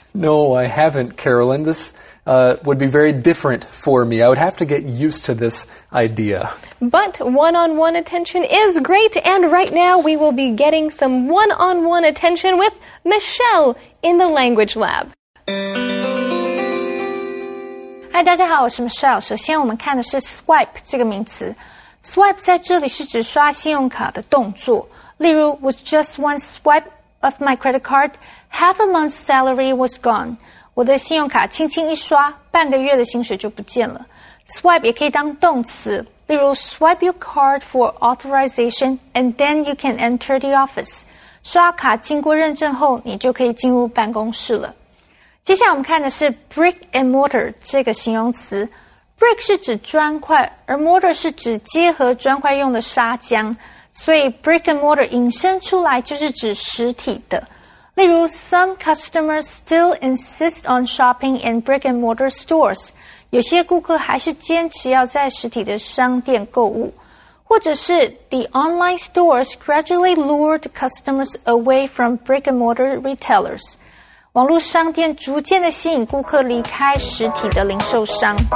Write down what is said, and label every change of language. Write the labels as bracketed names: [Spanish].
[English] No, I haven't, Carolyn. This would be very different for me. I would have to get used to this idea. But one-on-one attention is great, and right now we will be getting some one-on-one attention with Michelle in the language lab. [Chinese] 嗨，大家好，我是 Michelle 老师。首先我们看的是 swipe 这个名词。 Swipe 在这里是指刷信用卡的动作。例如 [English] with just one swipe of my credit card, half a month's salary was gone. [Chinese] 我的信用卡轻轻一刷，半个月的薪水就不见了。 Swipe 也可以当动词。例如 [English] swipe your card for authorization and then you can enter the office. [Chinese] 刷卡经过认证后，你就可以进入办公室了。接下来我们看的是 brick and mortar 这个形容词。 brick 是指砖块，而 mortar 是指结合砖块用的砂浆，所以 brick and mortar 引申出来就是指实体的。例如 [English] some customers still insist on shopping in brick and mortar stores， [Chinese] 有些顾客还是坚持要在实体的商店购物。或者是 [English] the online stores gradually lured customers away from brick and mortar retailers， [Chinese] 网络商店逐渐地吸引顾客离开实体的零售商。